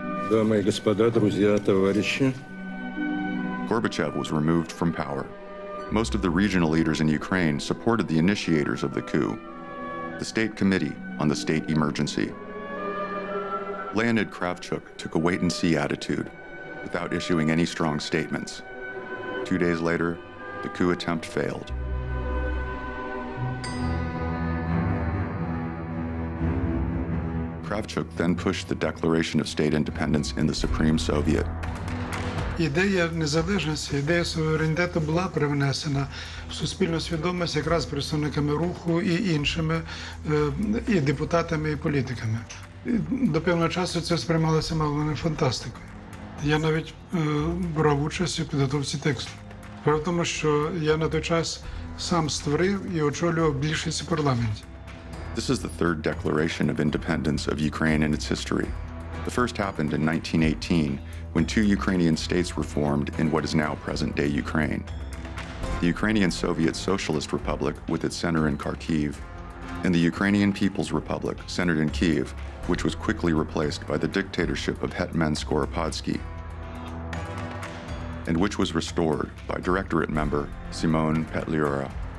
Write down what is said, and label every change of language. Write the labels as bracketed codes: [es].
[ru] Дамы и господа, друзья, товарищи. [en] Gorbachev was removed from power. Most of the regional leaders in Ukraine supported the initiators of the coup, the State Committee on the State Emergency. Leonid Kravchuk took a wait-and-see attitude without issuing any strong statements. 2 days later, the coup attempt failed. Kravchuk then pushed the Declaration of State Independence in the Supreme Soviet. [uk] Ідея незалежності, ідея суверенітету була привнесена в суспільну свідомість якраз представниками руху і іншими і депутатами, і політиками. До певного часу це сприймалося мало не фантастикою. Я навіть брав участь у підготовці тексту. Правда в тому, що я на той час сам створив і очолював більшість у парламенті. [en] This is the third declaration of independence of Ukraine in its history. The first happened in 1918, when two Ukrainian states were formed in what is now present-day Ukraine. The Ukrainian Soviet Socialist Republic, with its center in Kharkiv, and the Ukrainian People's Republic, centered in Kyiv, which was quickly replaced by the dictatorship of Hetman Skoropadsky, and which was restored by Directorate member Simon Petliura.